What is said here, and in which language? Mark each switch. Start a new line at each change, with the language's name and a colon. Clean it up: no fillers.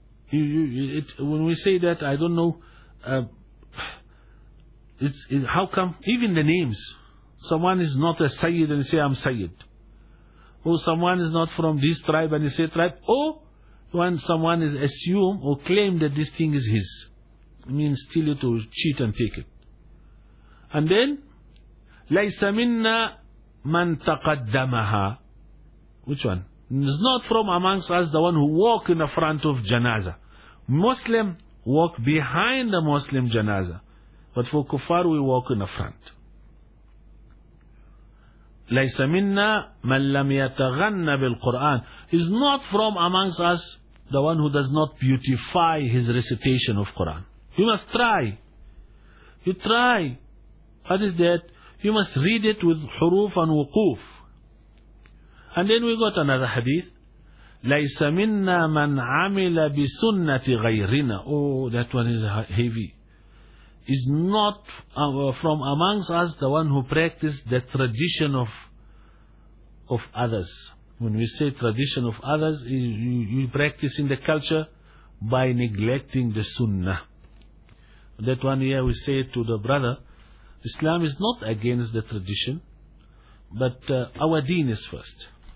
English: When we say that, I don't know. How come? Even the names. Someone is not a Sayyid and say, I'm Sayyid. Or someone is not from this tribe and say, tribe. Or when someone is assume or claim that this thing is his, it means steal it or cheat and take it.
Arabic: And then, لَيْسَ مِنَّا مَنْ تَقَدَّمَهَا.
English: Which one? It's not from amongst us the one who walk in the front of janaza. Muslim walk behind the Muslim janaza. But for kuffar, we walk in the front.
Arabic: لَيْسَ مِنَّا مَنْ لَمْ يَتَغَنَّ بِالْقُرْآنِ.
English: It's not from amongst us the one who does not beautify his recitation of Quran. You must try. You try. What is that? You must read it with huruf and wukuf. And then we got another hadith.
Arabic: لَيْسَ مِنَّا مَنْ عَمِلَ بِسُنَّةِ غَيْرِنَا.
English: Oh, that one is heavy. is not from amongst us the one who practices the tradition of others. When we say tradition of others, you practice in the culture by neglecting the sunnah. That one year we say to the brother, Islam is not against the tradition, but our deen is first.